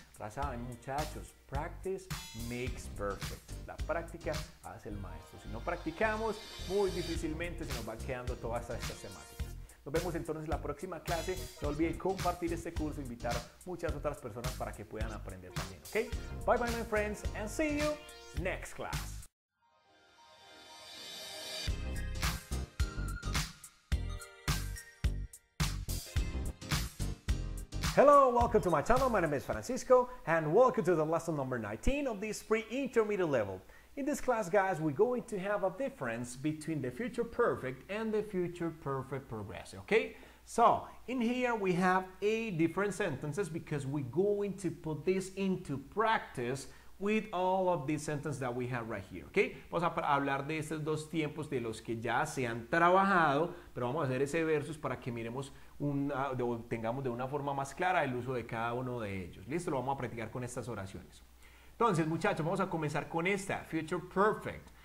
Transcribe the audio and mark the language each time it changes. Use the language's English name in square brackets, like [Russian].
[Spanish] Ya saben, muchachos, [English] practice makes perfect. [Spanish] La práctica hace el maestro. Si no practicamos, muy difícilmente se nos van quedando todas estas temáticas. Nos vemos entonces en la próxima clase. No olviden compartir este curso e invitar a muchas otras personas para que puedan aprender también, ¿ok? [English] Bye bye, my friends, and see you next class. Hello, welcome to my channel. My name is Francisco, and welcome to the lesson number 19 of this pre-intermediate level. In this class, guys, we're going to have a difference between the future perfect and the future perfect progressive, okay? So, in here we have 8 different sentences because we're going to put this into practice with all of these sentences that we have right here, okay? [Spanish] Vamos a hablar de estos dos tiempos de los que ya se han trabajado, pero vamos a hacer ese versus para que miremos tengamos de una forma más clara el uso de cada uno de ellos. Listo, lo vamos a practicar con estas oraciones. Entonces, muchachos, vamos a comenzar con esta, future perfect.